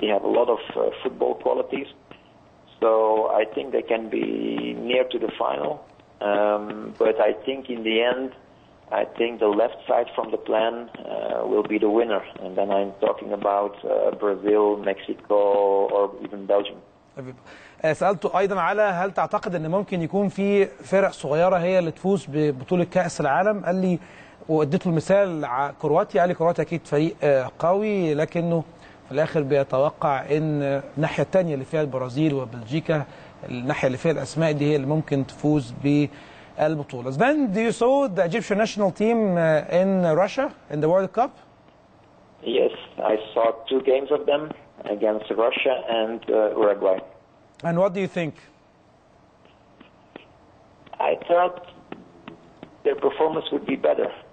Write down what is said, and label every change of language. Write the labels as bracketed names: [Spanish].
[English] They have a lot of football qualities, so I think they can be near to the final, but I think in the end, I think the left side from the plan will be the winner. And then I'm talking about Brazil, Mexico, or even Belgium. [Arabic] سألت أيضا على هل تعتقد أن ممكن يكون في فرق صغيرة هي اللي تفوز ببطولة كأس العالم؟ قال لي وأديت له مثال كرواتيا. قال لي كرواتيا أكيد فريق قوي لكنه في الآخر بيتوقع أن الناحية الثانية اللي فيها البرازيل وبلجيكا الناحية اللي فيها الأسماء دي هي اللي ممكن تفوز ب البطوله. [English] Then do you saw the Egyptian national team in Russia in the World Cup? Yes, I saw two games of them against Russia and Uruguay. And what do you think? I thought their performance would be better.